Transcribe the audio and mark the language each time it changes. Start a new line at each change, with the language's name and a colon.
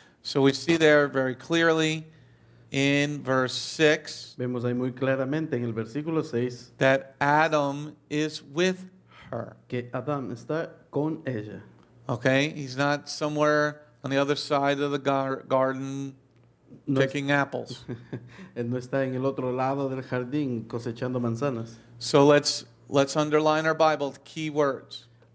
English: So we see there very clearly in verse 6,
Spanish: vemos ahí muy claramente en el versículo 6,
English: that Adam is with her.
Spanish: Que Adam está con ella.
English: Okay? He's not somewhere on the other side of the garden, picking apples.
Spanish: No está en el otro lado del jardín cosechando manzanas.
English: So let's underline our Bible the key words.